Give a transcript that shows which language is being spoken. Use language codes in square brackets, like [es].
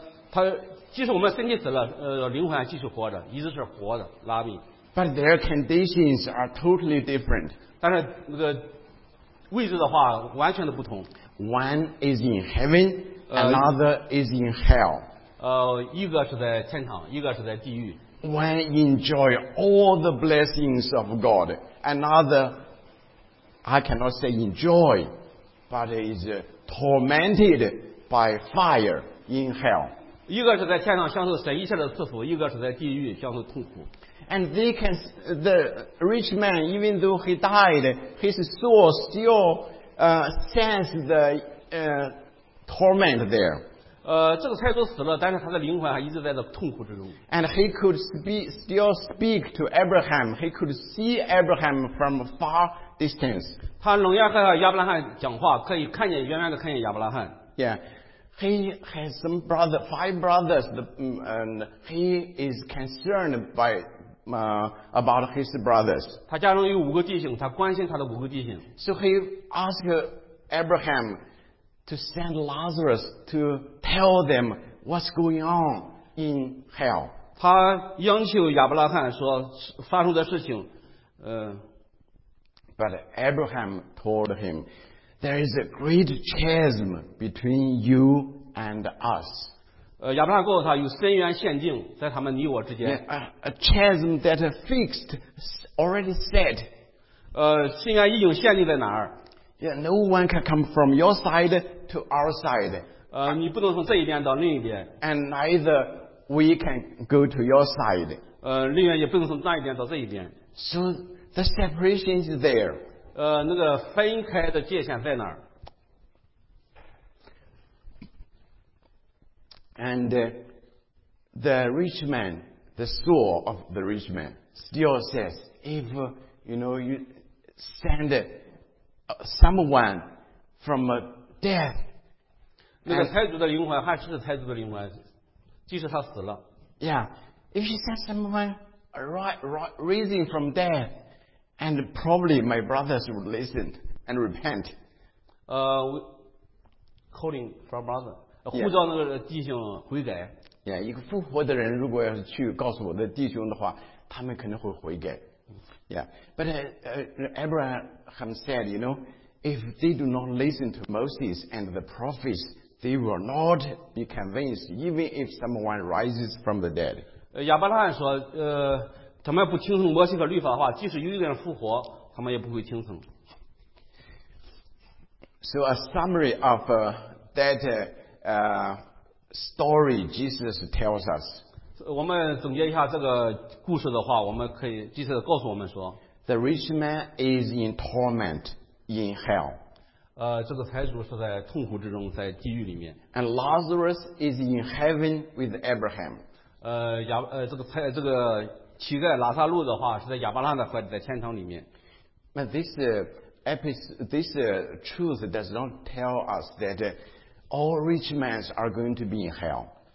[zh] 他即使我们身体死了，灵魂继续活着，一直是活着，拉比。 [en] But their conditions are totally different. [zh] 但是那个位置的话，完全的不同。 [en] One is in heaven, another is in hell. [zh] 一个是在天堂，一个是在地狱。 [en] One enjoy all the blessings of God, another, I cannot say enjoy, but is tormented by fire in hell. [zh] 一个是在天上享受神一切的赐福，一个是在地狱享受痛苦。 [en] And the rich man, even though he died, his soul still sense the torment there. [zh] 这个财主死了，但是他的灵魂还一直在这痛苦之中。 [en] And he could still speak to Abraham. He could see Abraham from a far distance. [zh] 他仍然和亚伯拉罕讲话，可以看见远远的看见亚伯拉罕。 [en] Yeah, he has some brother, five brothers, and he is concerned by about his brothers. [zh] 他家中有五个弟兄，他关心他的五个弟兄。 [en] So he asked Abraham. To send Lazarus to tell them what's going on in hell. [zh] 他央求亚伯拉罕说发生的事情。 [en] But Abraham told him, there is a great chasm between you and us. [zh] 亚伯拉罕告诉他有深渊陷阱在他们你我之间。 [en] A chasm that fixed already set. [zh] 深渊已经陷阱在哪儿？ [en] Yeah, no one can come from your side to our side. [zh] 你不能从这一边到另一边。 [en] And neither we can go to your side. [zh] 另外也不能从那一边到这一边。 [en] So the separation is there. [zh] 那个分开的界限在哪儿？ [en] And the rich man, the soul of the rich man, still says, if you know you send. Someone from a death. [zh] 那个财主的灵魂还是财主的灵魂，即使他死了。 [en] Yeah, if you send someone rising from death, and probably my brothers would listen and repent. Calling from brother, [zh] 呼召那个弟兄悔改。 Yeah, 一个复活的人如果要是去告诉我的弟兄的话，他们肯定会悔改。 [en] Yeah, but Abraham said, you know, if they do not listen to Moses and the prophets, they will not be convinced, even if someone rises from the dead. [zh] 亚伯拉罕说，他们不听从摩西和律法的话，即使有一个人复活，他们也不会听从。 [en] So a summary of that story Jesus tells us. [zh] 我们总结一下这个故事的话，我们可以即使告诉我们说 [en] ，The rich man is in torment in hell. [zh] 这个财主是在痛苦之中，在地狱里面。 [en] And Lazarus is in heaven with Abraham. [zh] 这个乞丐拉撒路的话是在亚伯拉罕的怀里，在天堂里面。 [en] But this truth does not tell us that all rich men are going to be in hell.